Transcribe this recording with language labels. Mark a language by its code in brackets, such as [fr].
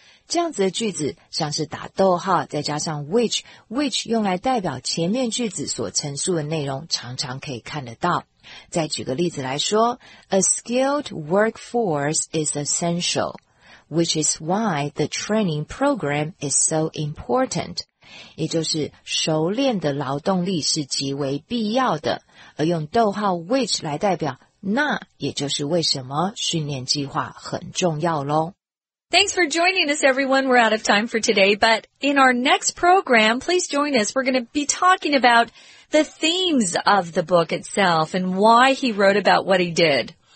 [zh] 这样子的句子像是打逗号再加上 which 用来代表前面句子所陈述的内容，常常可以看得到。再举个例子来说， [en] A skilled workforce is essential, which is why the training program is so important. [zh] 也就是熟练的劳动力是极为必要的，而用逗号 which 来代表，那也就是为什么训练计划很重要咯。 [en] Thanks for joining us, everyone. We're out of time for today, but in our next program, please join us. We're going to be talking about the themes of the book itself and why he wrote about what he did.